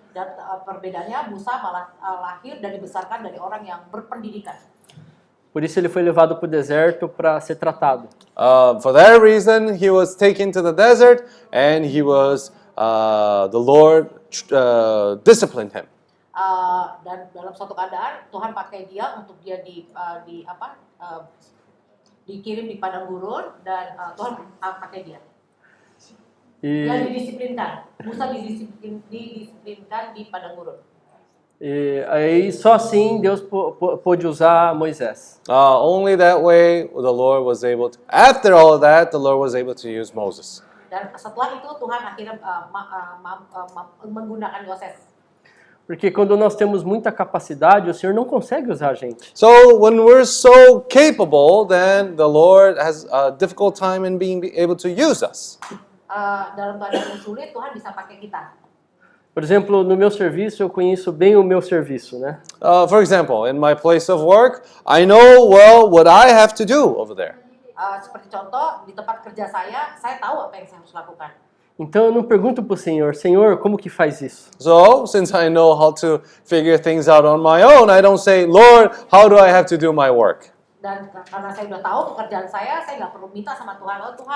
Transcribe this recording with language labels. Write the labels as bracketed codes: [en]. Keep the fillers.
[id] Dan perbedaannya Musa malah lahir dan dibesarkan dari orang yang berpendidikan. [pt] Por isso ele foi levado para o deserto para ser tratado. [en] Uh, for that reason, he was taken to the desert and he was uh, the Lord uh, disciplined him. [id] Uh, dan dalam satu keadaan Tuhan pakai dia untuk dia di uh, di apa uh, dikirim di, di padang gurun dan uh, Tuhan pakai dia I, e, didisiplinkan Musa didisiplin, didisiplinkan di padang gurun [pt] aí e, e, só so assim Deus pôde usar Moisés. [en] Uh, only that way the Lord was able to. After all of that, the Lord was able to use Moses. [id] Dan setelah itu Tuhan akhirnya uh, ma, uh, ma, uh, ma, uh, menggunakan Yosef. [pt] Porque quando nós temos muita capacidade, o Senhor não consegue usar a gente. [en] So when we're so capable, then the Lord has a difficult time in being able to use us. [pt] Por uh, exemplo, no meu serviço eu conheço bem o meu serviço, né? [en] Uh, for example, in my place of work, I know well what I have to do over there. [id] Uh, seperti contoh, di tempat kerja saya, saya tahu apa yang saya harus lakukan. [pt] Então eu não pergunto para o Senhor, Senhor, como que faz isso? [en] So, since I know how to figure things out on my own, I don't say, Lord, how do I have to do my work? [id] Dan karena saya sudah tahu pekerjaan saya, saya nggak perlu minta sama Tuhan,